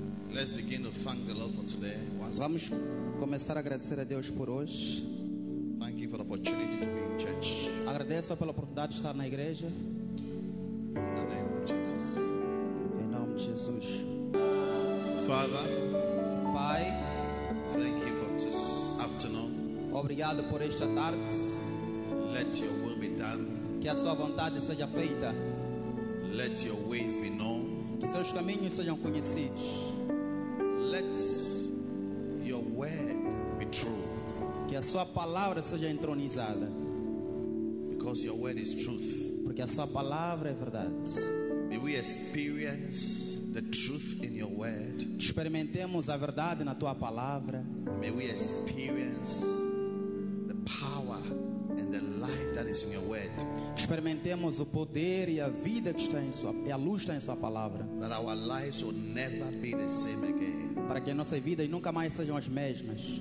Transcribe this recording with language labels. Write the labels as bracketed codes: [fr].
[en] Let's begin to thank the Lord for today. [pt] Vamos começar a agradecer a Deus por hoje. [en] Thank you for the opportunity to be in church. [pt] Agradeço pela oportunidade de estar na igreja. [en] In the name of Jesus. [pt] Em nome de Jesus. [en] Father. [pt] Pai. [en] Thank you for this afternoon. [pt] Obrigado por esta tarde. [en] Let your will be done. [pt] Que a sua vontade seja feita. [en] Let your ways be known. [pt] Que seus caminhos sejam conhecidos. [en] Let your word be true. [pt] Que a sua palavra seja entronizada. [en] Because your word is truth. [pt] Porque a sua palavra é verdade. [en] May we experience the truth in your word. [pt] Experimentemos a verdade na tua palavra. [en] May we experience the power and the life that is in your word. [pt] Experimentemos o poder e a vida que está em sua e a luz que está em sua palavra. [en] That our lives will never be the same again. [pt] Para que nossas vidas nunca mais sejam as mesmas.